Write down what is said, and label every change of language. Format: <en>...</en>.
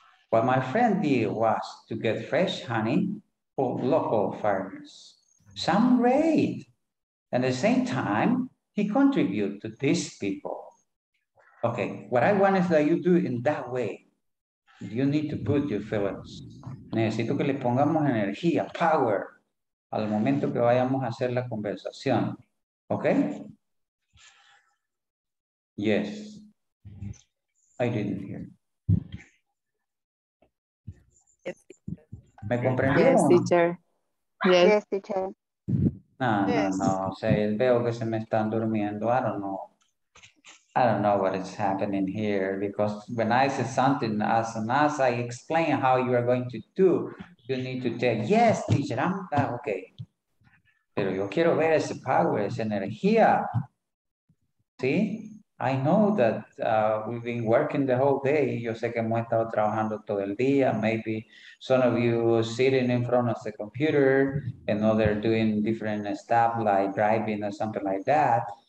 <en>What my friend did was to get fresh honey for local farmers. Some great. At the same time, he contributed to these people. Okay, what I want is that you do it in that way. You need to put your feelings.</en> <es>Necesito que le pongamos energía, power, al momento que vayamos a hacer la conversación.</es> <en>Okay? Yes. I didn't hear.</en> <es>¿Me comprendió?</es> <en>Yes, teacher. Yes, teacher. No.</en> <es>O sea, veo que se me están durmiendo.</es> <en>I don't know. I don't know what is happening here, because when I say something as an as, I explain how you are going to do, you need to tell, yes, teacher, I'm okay.</en> <es>Pero yo quiero ver ese power, esa energía.</es> <en>See? I know that we've been working the whole day.</en> <es>Yo sé que hemos estado trabajando todo el día.</es> <en>Maybe some of you sitting in front of the computer, and others doing different stuff like driving or something like that.</en>